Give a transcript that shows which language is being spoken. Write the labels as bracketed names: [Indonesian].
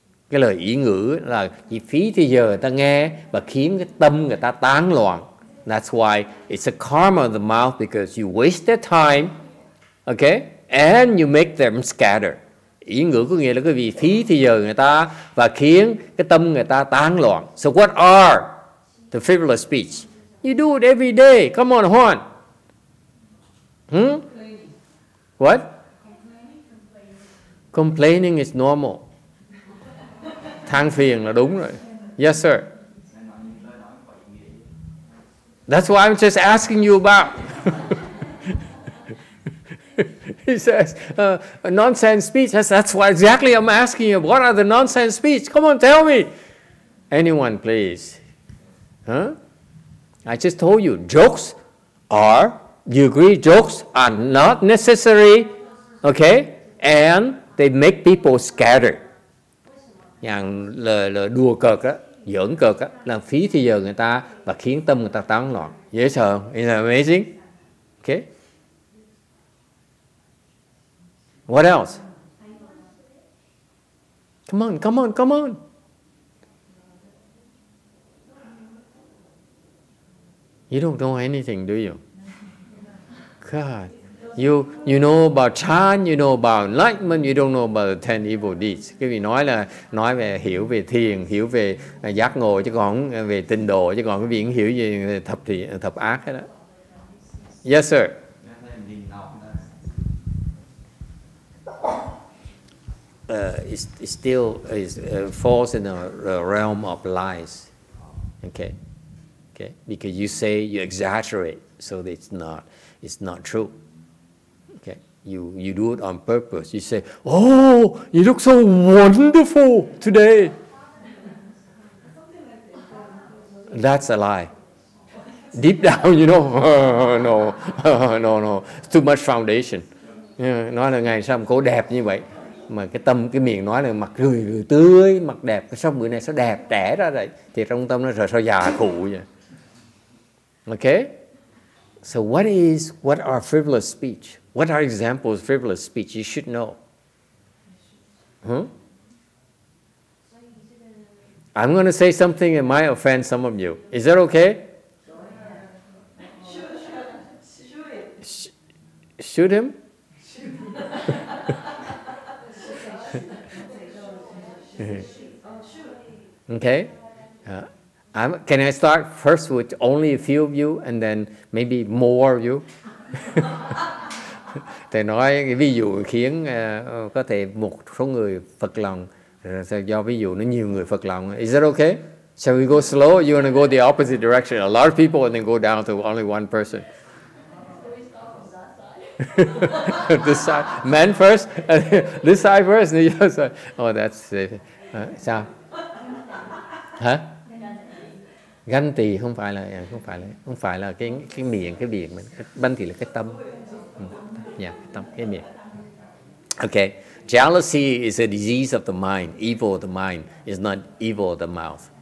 [Vietnamese] Cái lời ý ngữ là chỉ phí thời giờ người ta nghe và khiến cái tâm người ta tán loạn. [English] That's why it's a karma of the mouth, because you waste their time, okay? And you make them scatter. [Vietnamese] Ý ngữ có nghĩa là cái vì phí thời giờ người ta và khiến cái tâm người ta tán loạn. [English] So what are the frivolous speech? You do it every day. Come on, Juan. What? Complaining is normal. [Vietnamese] Than phiền là đúng rồi. [English] Yes, sir. That's why I'm just asking you about. He says, nonsense speech. That's why exactly I'm asking you. What are the nonsense speech? Come on, tell me. Anyone, please. Huh? I just told you, jokes are, you agree, jokes are not necessary, okay? And they make people scattered. [Vietnamese] Nhàng lời đùa cợt á, giỡn cợt á, làm phí thời giờ người ta và khiến tâm người ta tán loạn. Dễ sợ không? [English] Isn't that amazing? Okay. What else? Come on. You don't know anything, do you? God. You know about chan, you know about enlightenment, you don't know about the 10 evil deeds. [Vietnamese] Cái vị nói là nói về hiểu về thiền, hiểu về giác ngộ chứ còn về tịnh độ chứ còn cái vị không hiểu gì về thập ác hết đó. [English] Yes sir. It's still falls in the realm of lies. Okay. Because you say you exaggerate, so it's not true. You do it on purpose. You say, "Oh, you look so wonderful today." That's a lie. Deep down, you know, no. Too much foundation. Yeah. Nói là ngày sao mà cô đẹp như vậy, mà cái tâm cái miệng nói là mặt cười tươi, mặt đẹp. Sao bữa nay sao đẹp trẻ ra vậy? Thì trong tâm nó rồi sao già khụ vậy? Okay. So what are frivolous speech? What are examples of frivolous speech? You should know. I'm going to say something that might offend some of you. Is that okay? Shoot him? Okay. Can I start first with only a few of you and then maybe more of you? [Vietnamese] Thầy nói ví dụ khiến có thể một số người Phật lòng do ví dụ nó nhiều người Phật lòng. [English] Is that okay? Shall we go slow? You want to go the opposite direction? A lot of people and then go down to only one person. This side, men first, and this side first, and the other side. Oh, that's sao? Huh? [Vietnamese] Ganh tì không phải là cái miệng cái biển mà ganh tì là cái tâm. Yeah, tâm cái miệng. [English] Okay, jealousy is a disease of the mind. Evil of the mind is not evil of the mouth.